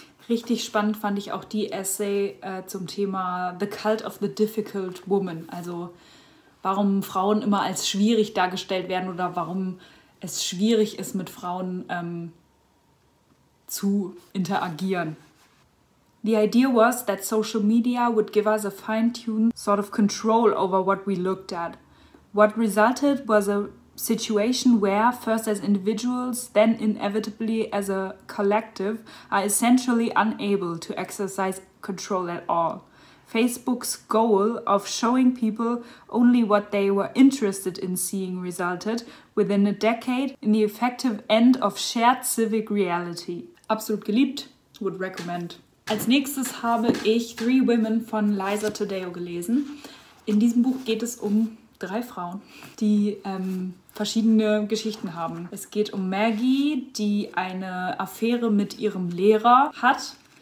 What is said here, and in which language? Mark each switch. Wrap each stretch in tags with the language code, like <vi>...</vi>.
<de>Richtig spannend fand ich auch die Essay zum Thema The Cult of the Difficult Woman. Also warum Frauen immer als schwierig dargestellt werden oder warum es schwierig ist, mit Frauen zu interagieren.</de> <en>The idea was that social media would give us a fine-tuned sort of control over what we looked at. What resulted was a situation where, first as individuals, then inevitably as a collective, are essentially unable to exercise control at all. Facebook's goal of showing people only what they were interested in seeing resulted, within a decade, in the effective end of shared civic reality.</en> <de>Absolut geliebt,</de> <en>would recommend.</en> <de>Als nächstes habe ich Three Women von Liza Taddeo gelesen. In diesem Buch geht es um drei Frauen, die verschiedene Geschichten haben. Es geht um Maggie, die eine Affäre mit ihrem Lehrer hat.</de>